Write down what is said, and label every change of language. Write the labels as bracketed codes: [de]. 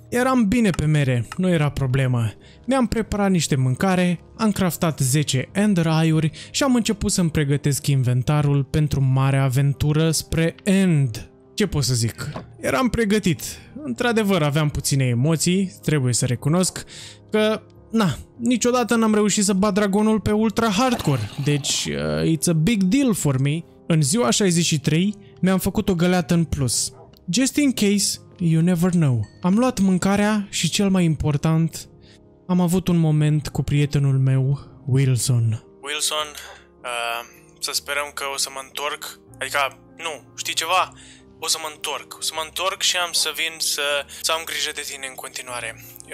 [ro] Eram bine pe mere, nu era problemă. Mi-am preparat niște mâncare, am craftat 10 ender eye-uri și am început să-mi pregătesc inventarul pentru marea aventură spre End. Ce pot să zic? Eram pregătit. Într-adevăr, aveam puține emoții, trebuie să recunosc că, na, niciodată n-am reușit să bat dragonul pe ultra hardcore. [en] Deci, it's a big deal for me. [ro] În ziua 63, mi-am făcut o găleată în plus. [en] Just in case, you never know. [ro] Am luat mâncarea și, cel mai important, am avut un moment cu prietenul meu, Wilson. Wilson, să sperăm că o să mă întorc. Adică, nu, știi ceva? O să mă întorc. O să mă întorc și am să vin să am grijă de tine în continuare.